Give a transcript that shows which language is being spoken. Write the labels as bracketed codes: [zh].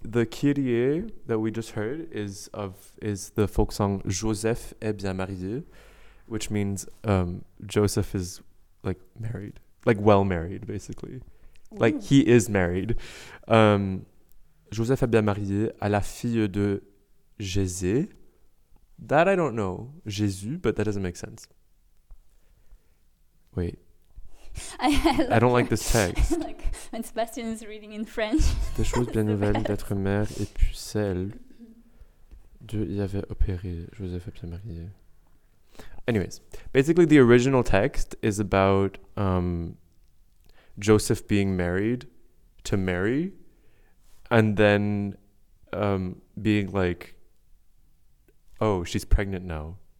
[en] Kyrie that we just heard is the folk song Joseph est bien marié, which means Joseph is like married, like well married, basically. Ooh. Like he is married. [fr] Joseph est bien marié à la fille de Jésus. [en] That I don't know. Jésus, but that doesn't make sense. Wait. I don't like this text. When Sebastian is reading in French. [fr] C'était chose bien nouvelle d'être mère et puis celle Dieu y avait opéré Joseph et Pierre-Marie. [en] Anyways, basically the original text is about Joseph being married to Mary and then being like, oh, she's pregnant now.